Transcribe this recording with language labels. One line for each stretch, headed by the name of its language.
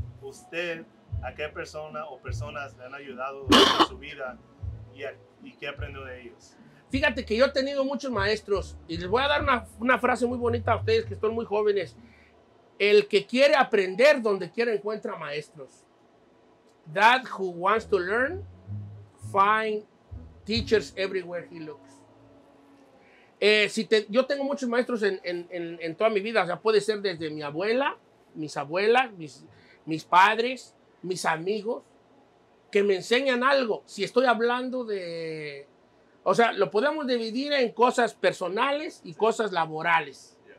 Spanish: Usted, ¿a qué persona o personas le han ayudado en su vida y qué aprendió de ellos? Fíjate que yo he tenido muchos maestros y les voy a dar una frase muy bonita a ustedes que son muy jóvenes. El que quiere aprender donde quiera encuentra maestros.
English: That who wants to learn, find teachers everywhere he looks.
Spanish: Yo tengo muchos maestros en toda mi vida. O sea, puede ser desde mi abuela, mis abuelas, mis padres, mis amigos, que me enseñan algo. Si estoy hablando de... O sea, lo podemos dividir en cosas personales y cosas laborales.